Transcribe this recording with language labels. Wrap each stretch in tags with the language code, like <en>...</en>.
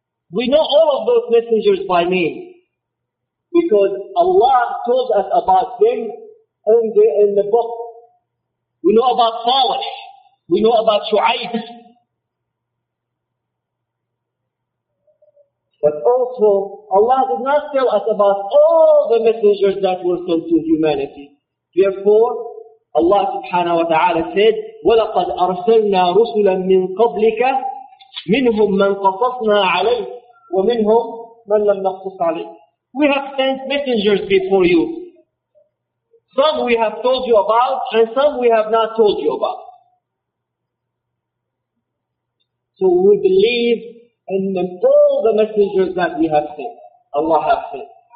<en>We know all of those messengers by name because Allah told us about them in the book. We know about Salih, we know about Shu'aib. But also, Allah did not tell us about all the messengers that were sent to humanity. Therefore, Allah subhanahu wa ta'ala said,</en> <ar>وَلَقَدْ أَرْسَلْنَا رُسُلًا مِّن قَبْلِكَ مِنْهُمْ مَنْ قَصَصْنَا عَلَيْهِ وَمِنْهُمْ مَنْ لَمْ نَقْصُصْ عَلَيْهِ.</ar> <en>We have sent messengers before you. Some we have told you about, and some we have not told you about. So we believe and then all the messengers that we have sent, Allah has sent.</en>